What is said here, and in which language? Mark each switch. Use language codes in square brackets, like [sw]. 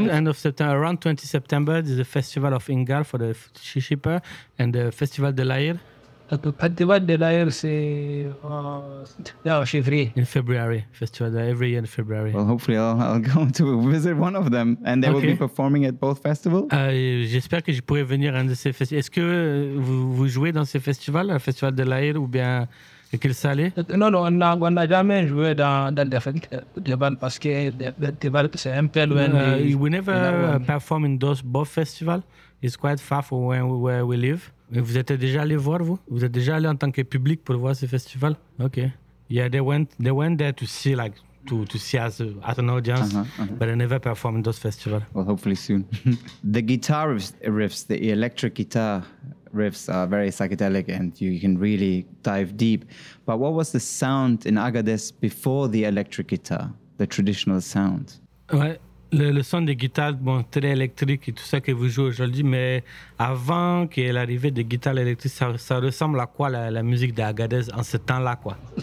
[en] End of September, around 20 September, there's a festival of Ingal for the shipper and the festival de l'Aïr. [fr] Le festival de l'Aïr, c'est en février. [en] In February, festival every year in February. Well, hopefully I'll go to visit one of them, and they will be performing at both festivals. [fr] J'espère que je pourrai venir à un de ces festivals. Est-ce que vous jouez dans ces festivals, le festival de l'Aïr ou bien le Kirsale? Non, on n'a jamais joué dans le festival parce que le festival c'est un peu loin. [en] We never perform in those both festivals. It's quite far from where we live. [fr] Vous êtes déjà allé voir, vous? Vous êtes déjà allé en tant que public pour voir ce festival? [en] OK. Yeah, they went there to see, like, to see us as an audience, but I never performed in those festivals. Well, hopefully soon. The guitar riffs, the electric guitar riffs are very psychedelic and you can really dive deep. But what was the sound in Agadez before the electric guitar, the traditional sound? [fr] Ouais. Le son des guitares, bon, très électrique et tout ça que vous jouez aujourd'hui, mais avant qu'il y ait l'arrivée des guitares électriques, ça ressemble à quoi la musique d'Agadez en ce temps-là, quoi?